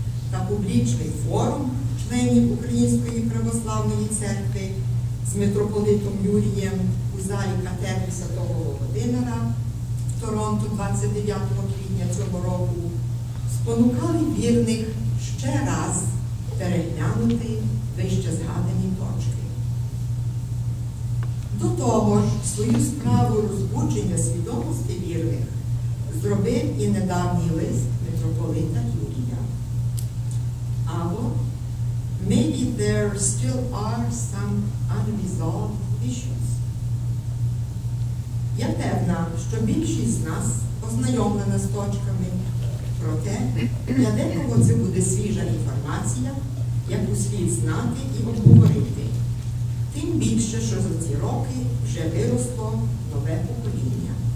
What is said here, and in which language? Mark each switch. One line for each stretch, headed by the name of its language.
Ukrainian: та публічний форум членів Української православної церкви з митрополитом Юрієм у залі катедри Святого Володимира в Торонто 29 квітня цього року, спонукали вірних ще раз переглянути вище згадані точки. До того ж, свою справу розбудження свідомості вірних зробив і недавній лист митрополита Юрія. Або
English: «Maybe there still are some unresolved issues».
Ukrainian: Я певна, що більшість з нас ознайомлена з точками. Проте, для декого це буде свіжа інформація, яку слід знати і обговорити. Тим більше, що за ці роки вже виросло нове покоління.